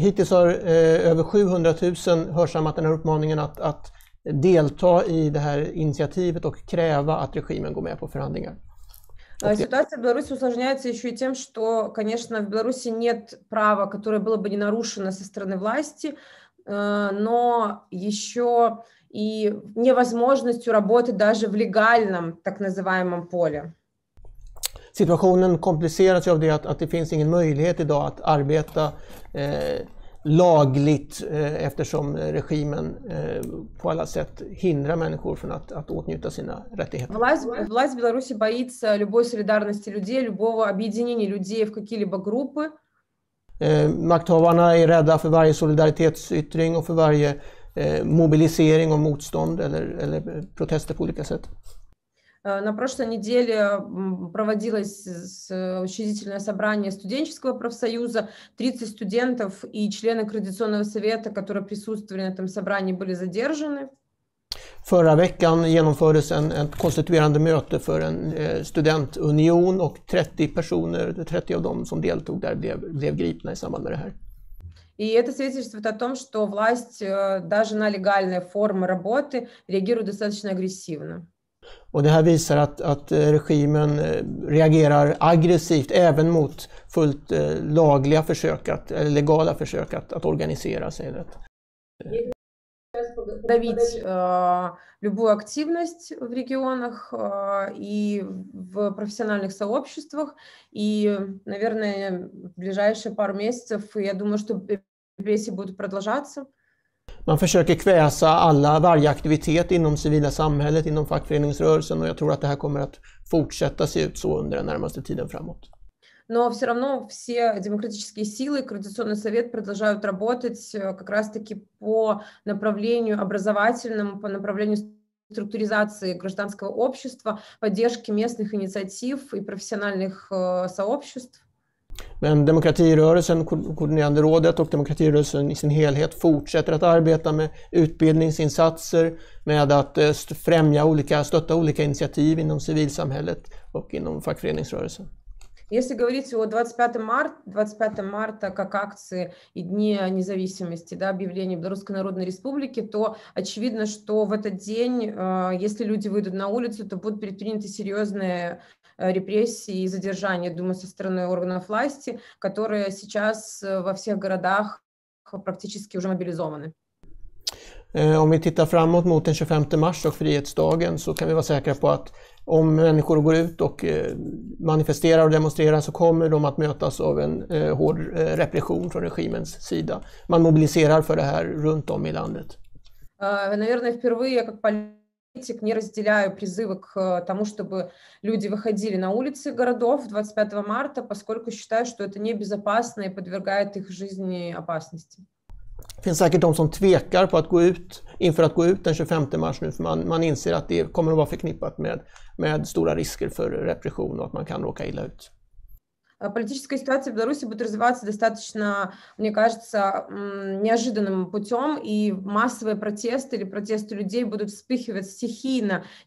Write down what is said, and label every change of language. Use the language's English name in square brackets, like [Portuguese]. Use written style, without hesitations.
[Swedish] Hittills har över 700 000 hörsammat den här uppmaningen att delta i det här initiativet och kräva att regimen går med på förhandlingar. [Russian] Ситуация в Беларуси усложняется еще и тем, что, конечно, в Беларуси нет права, которое было бы не нарушено со стороны власти, но еще и невозможностью работать даже в легальном, так называемом, поле. Ситуация комплицируется в том, что нет возможности сегодня работать [Swedish] лагligt, eftersom regimen på alla sätt hindrar människor från att åtnjuta sina rättigheter. [Russian] Власть в Беларуси боится любой солидарности людей, любого объединения людей в какие-либо группы. [Swedish] Makthavarna är rädda för varje solidaritetsyttring och för varje mobilisering och motstånd eller protester på olika sätt. [Russian] На прошлой неделе проводилось учредительное собрание студенческого профсоюза. 30 студентов и члены координационного совета, которые присутствовали на этом собрании, были задержаны. [Swedish] Förra veckan genomfördes ett konstituerande möte för en studentunion och 30 personer, 30 av dem som deltog där blev gripna i samband med det här. [Russian] И это свидетельствует о том, что власть даже на легальные формы работы реагирует достаточно агрессивно. [Swedish] Och det här visar att regimen reagerar aggressivt även mot fullt lagliga försök eller legala försök att organisera sig. Att [Russian] давить любую активность в регионах и в профессиональных сообществах, и, наверное, в ближайшие пару месяцев, я думаю, что репрессии будут продолжаться. [Swedish] Man försöker kväsa alla varje aktivitet inom civila samhället, inom fackföreningsrörelsen, och jag tror att det här kommer att fortsätta se ut så under den närmaste tiden framåt. [Russian] Но все равно все демократические силы, координационный совет продолжают работать как раз-таки по направлению образовательному, по направлению структуризации гражданского общества, поддержки местных инициатив и профессиональных сообществ. [Swedish] Men demokratirörelsen, koordinerande rådet och demokratirörelsen i sin helhet fortsätter att arbeta med utbildningsinsatser, med att främja olika, stötta olika initiativ inom civilsamhället och inom fackföreningsrörelsen. [Russian] Если говорить о 25 марта как акции и дни независимости, да, объявления Белорусской Народной Республики, то очевидно, что в этот день, если люди выйдут на улицу, то будут предприняты серьезные репрессии и задержания, думаю, со стороны органов власти, которые сейчас во всех городах практически уже мобилизованы. [Swedish] Om vi tittar framåt mot den 25 mars och frihetsdagen så kan vi vara säkra på att om människor går ut och manifesterar och demonstrerar så kommer de att mötas av en hård repression från regimens sida. Man mobiliserar för det här runt om i landet. [Russian] Наверное, впервые как политик политик, не разделяю призывы к тому, чтобы люди выходили на улицы городов 25 марта, поскольку считаю, что это небезопасно и подвергает их жизни опасности. [Swedish] Finns säkert de som tvekar på att gå ut inför att gå ut den 25 mars nu, för man inser att det kommer att vara förknippat med stora risker för repression och att man kan råka illa ut. [Russian] Политическая ситуация в Беларуси будет развиваться достаточно, мне кажется, неожиданным путем, и массовые протесты или протесты людей будут вспыхивать стихийно.